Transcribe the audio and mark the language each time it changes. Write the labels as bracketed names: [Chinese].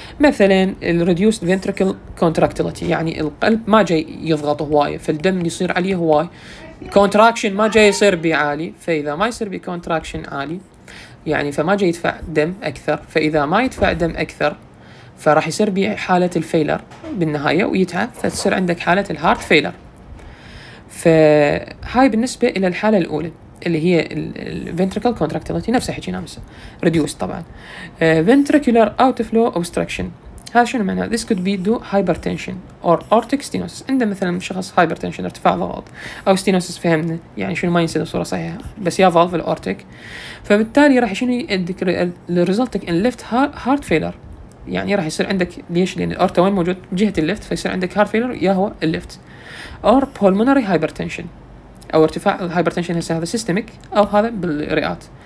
[Arabic] مثلا الريديوسد فينتريكل كونتراكتيليتي, يعني القلب ما جاي يضغط هواي فالدم يصير عليه هواي, كونتراكشن ما جاي يصير بعالي, فاذا ما يصير بكونتراكشن عالي يعني فما جاي يدفع دم اكثر, فاذا ما يدفع دم اكثر فراح يصير بحاله الفيلر بالنهايه ويتعب, فتصير عندك حاله الهارت فيلر. فهاي بالنسبه الى الحاله الاولى. اللي هي الventricle contractility نفسها حكينا امس reduced طبعا ventricular outflow obstruction. هذا شنو معناه؟ [English] this could be due hypertension or aortic stenosis. [Arabic] عند مثلا شخص hypertension ارتفاع ضغط او stenosis فهمنا يعني شنو ما ينسد بصوره صحيحه بس يا valve aortic. فبالتالي راح شنو يدك الريزلتك ان left heart failure يعني راح يصير عندك ليش لان الارتا وين موجود جهه الليفت فيصير عندك heart failure يا هو الليفت or pulmonary hypertension او ارتفاع الهايبرتنشن هذا سيستميك او هذا بالرئات.